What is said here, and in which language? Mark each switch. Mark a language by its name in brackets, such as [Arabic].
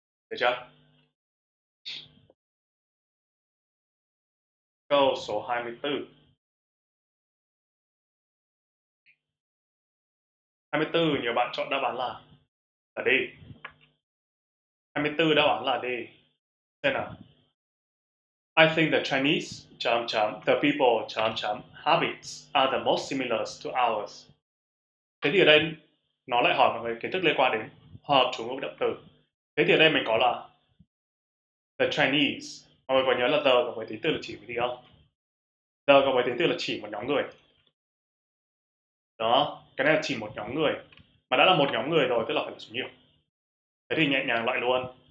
[Vietnamese] Được chưa? Câu số 24. 24 nhiều bạn chọn đáp án là D. 24 đáp án là D. Xem nào. [English] I think the Chinese [Vietnamese] chấm chấm [English] the people chấm chấm habits are the most similar to ours. [Vietnamese] Thế thì ở đây nó lại hỏi mọi người kiến thức liên quan đến hợp chủ ngữ động từ. Thế thì ở đây mình có là the Chinese. Mọi người có nhớ là the cộng với tính từ là chỉ cái gì không? The cộng với tính từ là chỉ một nhóm người. Đó, cái này là chỉ một nhóm người. Mà đã là một nhóm người rồi, tức là phải là số nhiều. Thế thì nhẹ nhàng loại luôn.